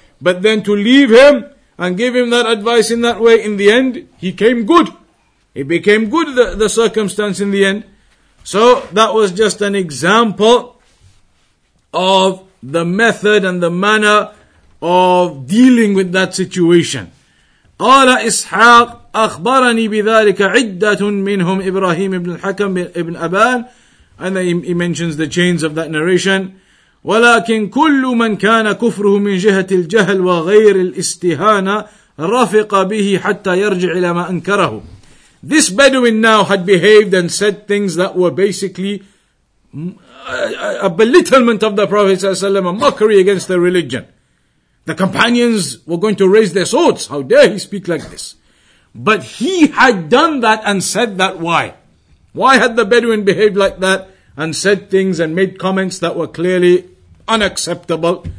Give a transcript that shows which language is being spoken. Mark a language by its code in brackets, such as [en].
[en] But then to leave him and give him that advice in that way, in the end, he came good. It became good, the circumstance in the end. So that was just an example of the method and the manner of dealing with that situation. [ar] قال إسحاق أخبرني بذلك عدة منهم إبراهيم بن الحكم بن أبان. [en] And then he mentions the chains of that narration. [ar] ولكن كل من كان كفره من جهة الجهل وغير الاستهانة رفق به حتى يرجع إلى ما أنكره. [en] This Bedouin now had behaved and said things that were basically a belittlement of the Prophet ﷺ, a mockery against the religion. The companions were going to raise their swords. How dare he speak like this? But he had done that and said that. Why? Why had the Bedouin behaved like that and said things and made comments that were clearly unacceptable?